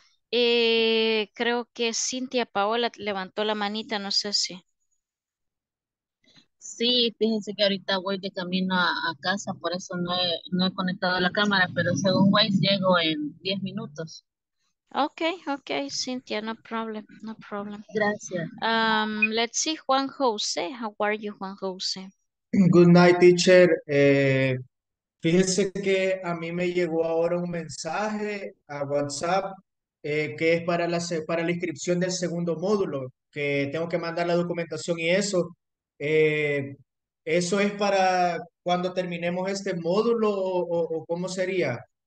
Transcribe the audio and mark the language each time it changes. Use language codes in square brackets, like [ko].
[es] Creo que Cintia Paola levantó la manita, no sé si. Sí, fíjense que ahorita voy de camino a casa, por eso no he conectado la cámara, pero según Waze llego en 10 minutos. [en] Ok, Cynthia, no problem, no problem. [es] Gracias. [en] Let's see, Juan José, how are you, Juan José? Good night, teacher. [es] Fíjense que a mí me llegó ahora un mensaje a WhatsApp que es para la inscripción del segundo módulo, que tengo que mandar la documentación y eso. ¿Eso es para cuando terminemos este módulo o cómo sería?